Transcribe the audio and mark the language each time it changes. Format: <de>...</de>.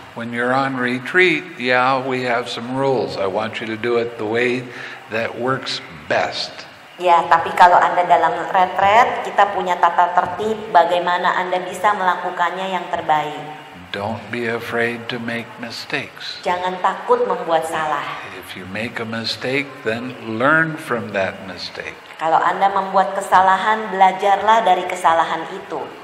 <en>When you're on retreat, yeah, we have some rules. I want you to do it the way that works best.</en> <id>Ya, tapi kalau Anda dalam retret, kita punya tata tertib bagaimana Anda bisa melakukannya yang terbaik.</id> <en>Don't be afraid to make mistakes.</en> <id>Jangan takut membuat salah.</id> <en>If you make a mistake, then learn from that mistake.</en> <id>Kalau Anda membuat kesalahan, belajarlah dari kesalahan itu.</id>